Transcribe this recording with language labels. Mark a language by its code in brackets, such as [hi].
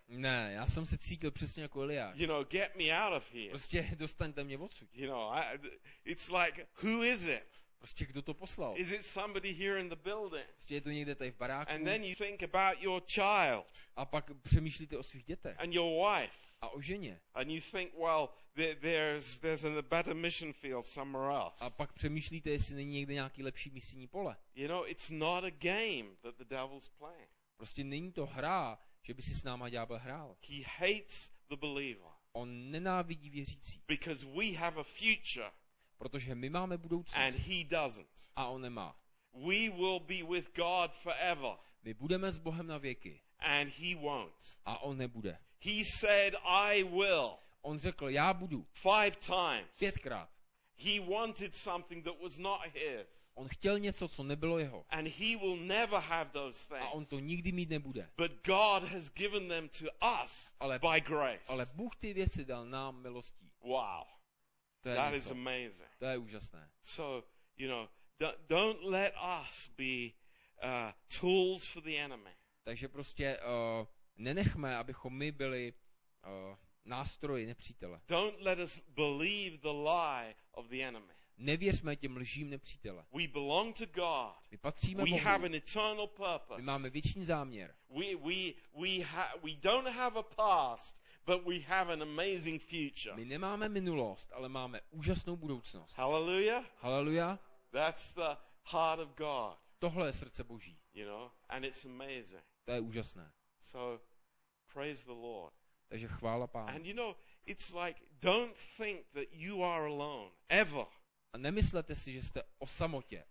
[cs] Ne, já jsem se cítil přesně jako Eliáš. [en] You know, get me out of here. [cs] Prostě dostaňte mě odsud. [en] You know, it's like, who is it? [cs] Prostě kdo to poslal? [en] Is it somebody here in the building? [cs] Prostě je to někde tady v baráku. [en] And then you think about your child. [cs] A pak přemýšlíte o svých dětech. [en] And your wife. [cs] A o ženě. [en] And you think, well, there's a better mission field somewhere else. [cs] A pak přemýšlíte, jestli není někde nějaký lepší misijní pole. [en] You know, it's not a game that the devil's playing. [cs] Prostě není to hra, že by si s náma ďábel hrál. [en] He hates the believer. [cs] On nenávidí věřící. [en] Because we have a future. [cs] Protože my máme budoucnost. [en] And he doesn't. [cs] A on nemá. [en] We will be with God forever. [cs] My budeme s Bohem na věky. [en] And he won't. [cs] A on nebude. [en] He said, I will. [cs] On řekl, já budu. [en] Five times. [cs] Pětkrát. [en] He wanted something that was not his. [cs] On chtěl něco, co nebylo jeho. [en] And he will never have those things. [cs] A on to nikdy mít nebude. [en] But God has given them to us by grace. [cs] Ale Bůh ty věci dal nám milostí. [en] Wow. That is amazing. [cs] To je úžasné. [en] So, you know, don't let us be tools for the enemy. [cs] Takže prostě nenechme, abychom my byli nástroji nepřítele. [en] Don't let us believe the lie of the enemy. [cs] Nevěřme těm lžím nepřítele. [en] We belong to God. [cs] My patříme Bohu. [en] We have an eternal purpose. [cs] My máme věčný záměr. [en] We don't have a past. But we have an amazing future. [cs] My nemáme minulost, ale máme úžasnou budoucnost. [en] Hallelujah. [cs] Hallelujah. [en] That's the heart of God. [cs] Tohle je srdce Boží. [en] You know, and it's amazing. [cs] To je úžasné. [en] So praise the Lord. [cs] Takže chvála Pánu. [en] And you know, it's like don't think that you are alone ever. [cs] A nemyslete si, že jste o samotě.